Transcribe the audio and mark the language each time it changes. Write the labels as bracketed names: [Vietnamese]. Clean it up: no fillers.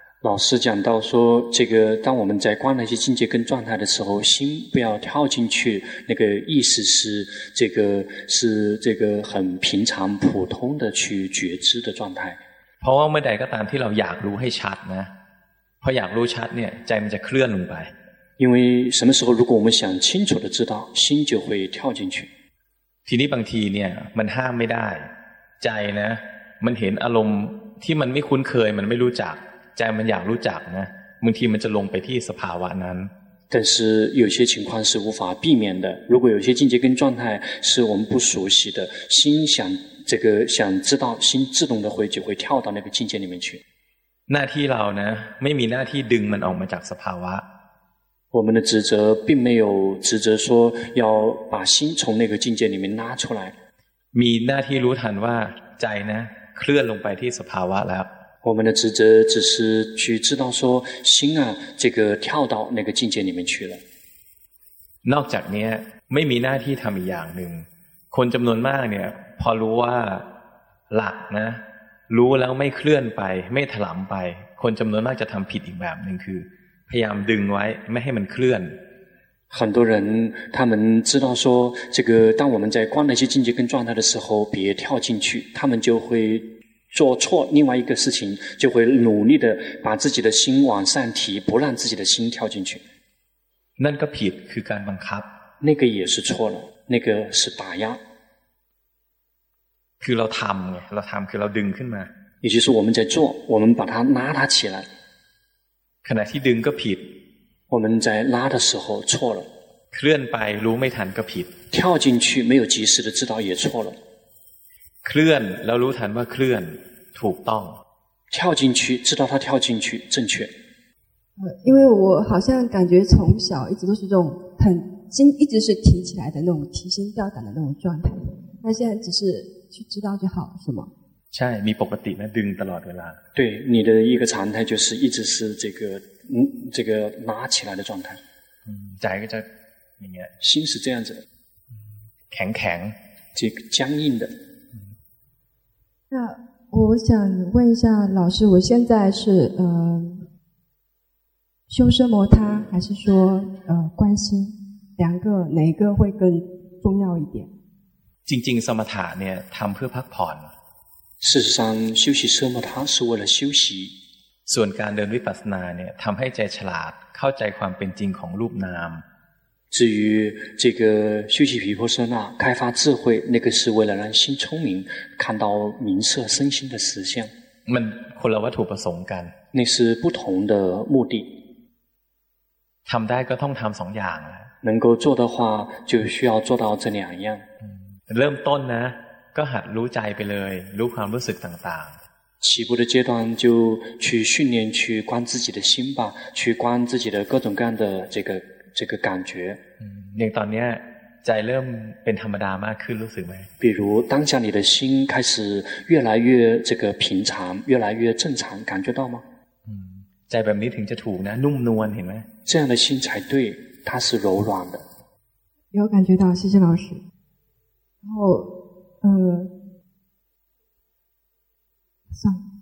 [Chinese] 老师讲到说，这个当我们在观那些境界跟状态的时候，心不要跳进去。那个意思是，这个是这个很平常普通的去觉知的状态。 [Thai] เพราะว่าเมื่อใดก็ตามที่เราอยากรู้ให้ชัดนะ，พออยากรู้ชัดเนี่ยใจมันจะเคลื่อนลงไป。 [Chinese] 因为什么时候如果我们想清楚的知道，心就会跳进去。 [Thai] ทีนี้บางทีเนี่ยมันห้ามไม่ได้ใจนะมันเห็นอารมณ์ที่มันไม่คุ้นเคยมันไม่รู้จักใจมันอยากรู้จักนะบางทีมันจะลงไปที่สภาวะนั้น [Chinese] 但是有些情况是无法避免的如果有些境界跟状态是我们不熟悉的心想这个想知道心自动的会就会跳到那个境界里面去 [Thai] หน้าที่เรานะไม่มีหน้าที่ดึงมันออกมาจากสภาวะ [Chinese] 我们的职责并没有职责说要把心从那个境界里面拉出来 [Thai] มีหน้าที่รู้ทันว่าใจนะเคลื่อนลงไปที่สภาวะแล้ว [Chinese] 我们的职责只是去知道说心啊这个跳到那个境界里面去了 [Thai] นอกจากนี้ไม่มีหน้าที่ทำอีกอย่างหนึ่งคนจำนวนมากเนี่ยพอรู้ว่าหลักนะรู้แล้วไม่เคลื่อนไปไม่ถลำไปคนจำนวนมากจะทำผิดอีกแบบหนึ่งคือพยายามดึงไว้ไม่ให้มันเคลื่อน [Chinese] 很多人他们知道说这个当我们在观那些境界跟状态的时候别跳进去他们就会做错另外一个事情就会努力的把自己的心往上提不让自己的心跳进去 [Thai] นั่นก็ผิดคือการบังคับ [Chinese] 那个也是错了那个是打压 [Thai] คือเราทำไงเราทำคือเราดึงขึ้นมา [Chinese] 也就是我们在做我们把它拉它起来 [Thai] ขณะที่ดึงก็ผิด [Chinese] 我们在拉的时候错了 [Thai] เคลื่อนไปรู้ไม่ทันก็ผิด [Chinese] 跳进去没有及时的知道也错了 [Thai] เคลื่อนแล้วรู้ทันว่าเคลื่อนถูกต้อง [Chinese] 跳进去知道它跳进去正确因为我好像感觉从小一直都是这种很心一直是提起来的那种提心吊胆的那种状态那现在只是去知道就好是吗 [Thai] ใช่มีปกติไหมดึงตลอดเวลา [Chinese] 对你的一个常态就是一直是这个这个拉起来的状态 [Thai] ใจก็จะอย่างเงี้ย [Chinese] 心是这样子的 [Thai] แข็งแข็ง [Chinese] 这个僵硬的那我想问一下老师，我现在是修奢摩他还是说观心，两个哪一个会更重要一点？ [Thai] จริงๆสมถะเนี่ยทำเพื่อพักผ่อน。 [Chinese] 事实上，修习奢摩他是为了休息。 [Thai] ส่วนการเดินวิปัสสนาเนี่ยทำให้ใจฉลาดเข้าใจความเป็นจริงของรูปนาม。 [Chinese] 至于这个修习毗婆舍那开发智慧那个是为了让心聪明看到名色身心的实相 [Thai] มันคนละวัตถุประสงค์กัน [Chinese] 那是不同的目的 [Thai] ทำได้ก็ต้องทำสองอย่าง [Chinese] 能够做的话就需要做到这两样 [Thai] เริ่มต้นนะก็หัดรู้ใจไปเลยรู้ความรู้สึกต่าง [Chinese] ๆ起步的阶段就去训练去观自己的心吧去观自己的各种各样的这个感觉 [Thai] อย่างตอนนี้ใจเริ่มเป็นธรรมดามากขึ้นรู้สึกไหม [Chinese] 比如当下你的心开始越来越这个平常越来越正常感觉到吗 [Thai] ใจแบบนี้ถึงจะถูกนะนุ่มนวลเห็นไหม [Chinese] 这样的心才对它是柔软的有感觉到谢谢老师然后上